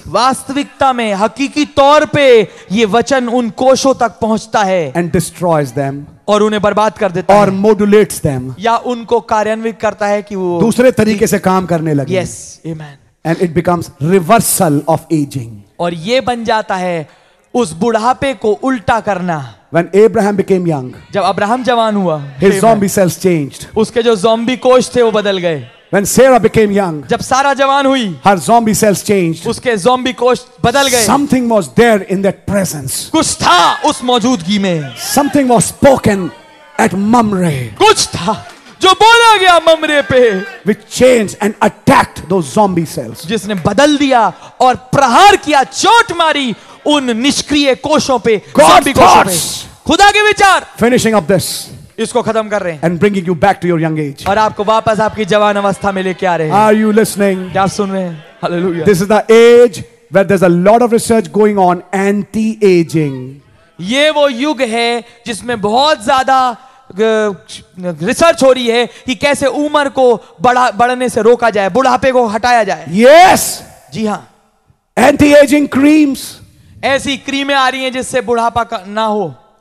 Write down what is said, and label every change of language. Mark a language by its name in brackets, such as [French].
[Hindi] वास्तविकता में हकीकी तौर पे ये वचन उन कोशों तक पहुंचता है. [English] And destroys them. [Hindi] और उन्हें बर्बाद कर देता. [English] और modulates them. [Hindi] या उनको कार्यान्वित करता है कि वो दूसरे तरीके से काम करने लगे. [English] Yes. Amen. And it becomes reversal of ageing. [Hindi] और ये बन जाता है उस बुढ़ापे को उल्टा करना. [English] When Abraham became young. [Hindi] जब अब्राहम जवान हुआ. [English] His zombie cells changed. [Hindi] उसके जो zombie कोश थे वो बदल गए. [English] When Sarah became young. [Hindi] जब सारा जवान हुई. [English] Her zombie cells changed. [Hindi] उसके zombie कोश बदल गए. [English] Something was there in that presence. [Hindi] कुछ था उस मौजूदगी में. [English] Something was spoken at Mamre. [Hindi] कुछ था जो बोला गया ममरे पे. [English] Which changed and attacked those zombie cells. [Hindi] जिसने बदल दिया और प्रहार किया, चोट मारी उन निष्क्रिय कोशों पे, [English] zombie [Hindi] कोशों पे. खुदा के विचार. [English] Finishing up this. [Hindi] इसको खत्म कर रहे हैं. [English] And bringing you back to your young age. [Hindi] और आपको वापस आपकी जवान अवस्था में लेके आ रहे हैं. [English] Are you listening? [Hindi] क्या सुन रहे हैं? Hallelujah. [English] This is the age where there's a lot of research going on anti-aging. [Hindi] ये वो युग है जिसमें बहुत ज्यादा रिसर्च हो रही है कि कैसे उम्र को बढ़ने से रोका जाए, बुढ़ापे को हटाया जाए. [English] Yes. [Hindi] जी हाँ. [English] Anti-aging creams. [Hindi] ऐसी क्रीमें आ रही हैं जिससे बुढ़ापा ना हो.